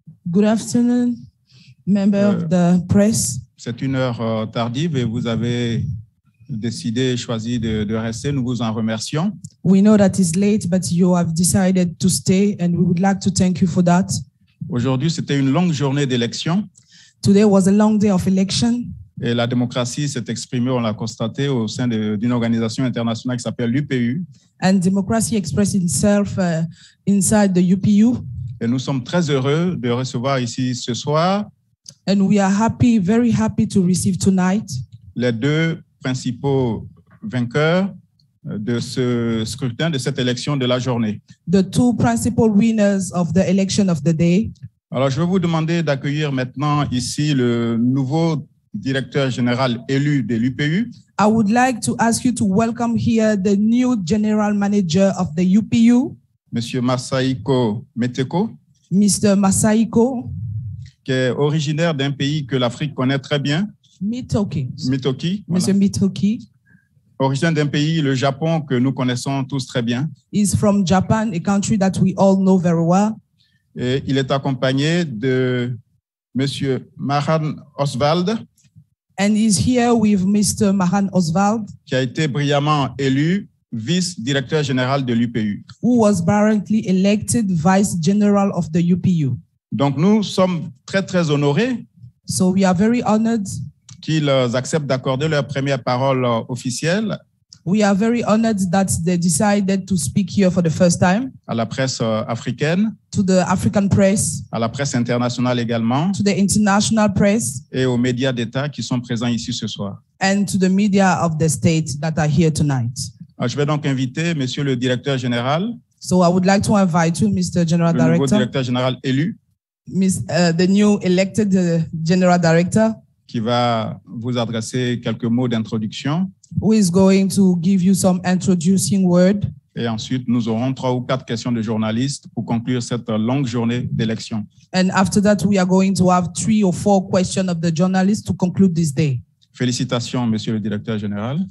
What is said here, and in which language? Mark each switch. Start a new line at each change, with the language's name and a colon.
English: Good afternoon, members of the press.
French: C'est une heure tardive et vous avez décidé, choisi de rester. Nous vous en remercions.
English: We know that it's late, but you have decided to stay, and we would like to thank you for that.
French: Aujourd'hui, c'était une longue journée d'élection.
English: Today was a long day of election.
French: Et la démocratie s'est exprimée, on l'a constaté, au sein d'une organisation internationale qui s'appelle l'UPU.
English: And democracy expressed itself inside the UPU.
French: Et nous sommes très heureux de recevoir ici ce soir.
English: And we are happy, very happy to receive tonight.
French: Les deux principaux vainqueurs de ce scrutin, de cette élection de la journée.
English: The two principal winners of the election of the day.
French: Alors, je vais vous demander d'accueillir maintenant ici le nouveau directeur général élu de l'UPU.
English: I would like to ask you to welcome here the new general manager of the UPU.
French: Monsieur Masahiko Meteko.
English: Mr. Masahiko.
French: Qui est originaire d'un pays que l'Afrique connaît très bien. Mitoki. Monsieur Mitoki. Originaire d'un pays, le Japon, que nous connaissons tous très bien.
English: He's from Japan, a country that we all know very well.
French: Et il est accompagné de Monsieur Mahan Oswald.
English: And he's here with Mr. Mahan Oswald.
French: Qui a été brillamment élu vice-directeur général de l'UPU.
English: Who was brilliantly elected vice general of the UPU.
French: Donc nous sommes très très honorés.
English: So we are very honored.
French: Qu'ils acceptent d'accorder leur première parole officielle.
English: We are very honored that they decided to speak here for the first time.
French: À la presse africaine.
English: To the African press.
French: À la presse internationale également.
English: To the international press.
French: Et aux médias d'État qui sont présents ici ce soir.
English: And to the media of the state that are here tonight.
French: Je vais donc inviter Monsieur le Directeur Général.
English: So I would like to invite you, Mr. General Director.
French: Le nouveau Directeur Général élu.
English: The new elected General Director.
French: Qui va vous adresser quelques mots d'introduction.
English: Who is going to give you some introducing word.
French: Et ensuite, nous aurons trois ou quatre questions de journalistes pour conclure cette longue journée d'élection.
English: And after that, we are going to have three or four questions of the journalists to conclude this day.
French: Félicitations, Monsieur le Directeur Général.